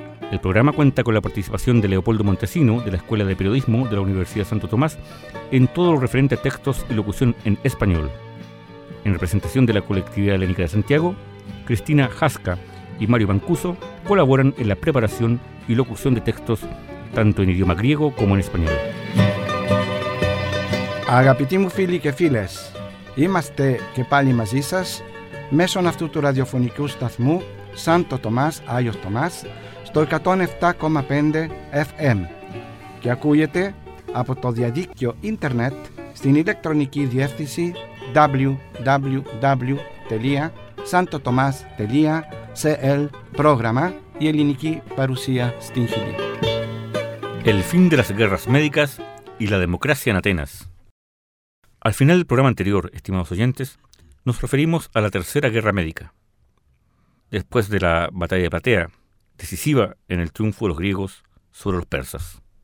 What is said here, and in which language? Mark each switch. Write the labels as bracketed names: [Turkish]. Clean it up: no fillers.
[Spanish] El programa cuenta con la participación de Leopoldo Montesino, de la Escuela de Periodismo de la Universidad Santo Tomás, en todo lo referente a textos y locución en español. En representación de la Colectividad Helénica de Santiago, Cristina Jasca y Mario Mancuso colaboran en la preparación y locución de textos, tanto en idioma griego como en español. [Greek] Αγαπητοί φίλοι και φίλες, είμαστε και πάλι μαζί σας μέσω αυτού του ραδιοφωνικού σταθμού Σάντο Τομάς, Άγιος Τομάς, στο 107,5 FM και ακούγεται από το διαδίκτυο ίντερνετ στην ηλεκτρονική διεύθυνση www.santotomas.cl πρόγραμμα η ελληνική παρουσία στην Χιλή. [Spanish] El fin de las guerras médicas y la democracia en Atenas. Al final del programa anterior, estimados oyentes, nos referimos a la Tercera Guerra Médica. Después de la Batalla de Platea, decisiva en el triunfo de los griegos sobre los persas.